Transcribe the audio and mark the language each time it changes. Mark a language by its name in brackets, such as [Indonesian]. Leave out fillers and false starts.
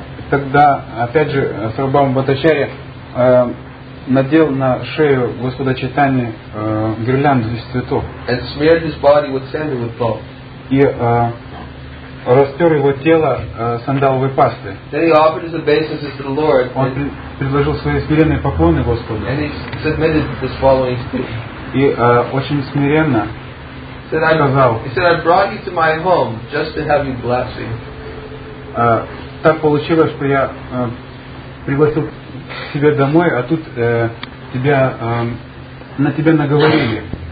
[Russian] Тогда опять же Sāva Bhāma Bhattacharya надел на шею Господа Чайтаньи гирлянду из цветов. [English] And smeared his body with sandalwood pulp. [Russian] И растер его тело сандаловой пастой. [English] Then he offered his obeisances to the Lord. [Russian] Он предложил свои смиренные поклоны Господу. [English] And he submitted this following speech. [Russian] И очень смиренно. [English] He said, "I brought you to my home just to have you bless me." [Russian] Так получилось, что я пригласил тебя домой, а тут тебя на тебя наговорили.